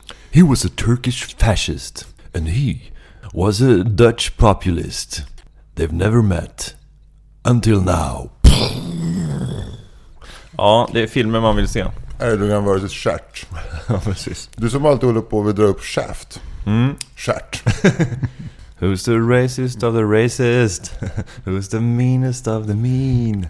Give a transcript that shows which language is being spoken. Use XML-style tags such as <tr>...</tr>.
<en>He was a Turkish fascist and he was a Dutch populist. They've never met. Until now.</en> <sv>Ja, det är filmer man vill se.</sv> <en>Erdogan versus Schert.</en> <sv>Ja, precis. Du som alltid håller på att dra upp Schert. Mm. Schert.</sv> <en>Who's the racist of the racist? Who's the meanest of the mean?</en>